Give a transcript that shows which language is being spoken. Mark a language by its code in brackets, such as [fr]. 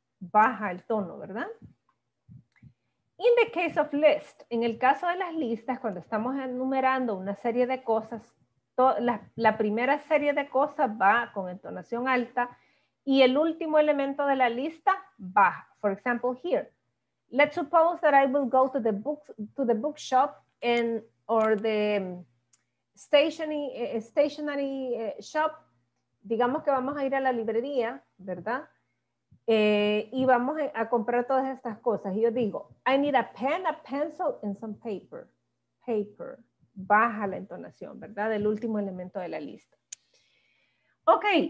[es] Baja el tono, ¿verdad? [en] In the case of list, [es] en el caso de las listas, cuando estamos enumerando una serie de cosas, la primera serie de cosas va con entonación alta y el último elemento de la lista baja. [en] For example, here. Let's suppose that I will go to the book bookshop and or the stationery shop. [es] Digamos que vamos a ir a la librería, ¿verdad? Y vamos a comprar todas estas cosas. Y yo digo, [en] I need a pen, a pencil, and some paper. Paper. [es] Baja la entonación, ¿verdad? El último elemento de la lista. Ok.